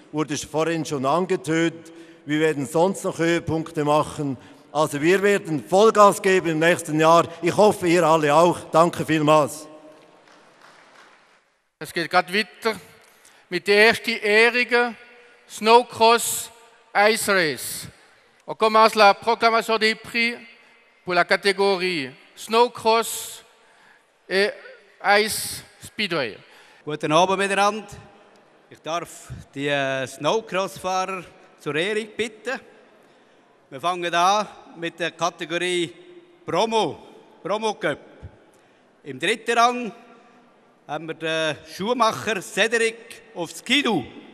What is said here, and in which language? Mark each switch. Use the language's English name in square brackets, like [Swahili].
[German] Wurde vorhin schon angetönt. Wir werden sonst noch Höhepunkte machen. Also wir werden Vollgas geben im nächsten Jahr. Ich hoffe, ihr alle auch. Danke vielmals. Es geht gerade weiter mit der ersten Ehrungen Snowcross Ice Race. [French] On commence la proclamation des prix pour la catégorie Snowcross et Ice Speedway. [German] Guten Abend miteinander. Ich darf die Snowcross-Fahrer zur Ehrung bitten. Wir fangen an mit der Kategorie Promo Cup. Im dritten Rang haben wir den Schuhmacher Cedric auf Skidoo.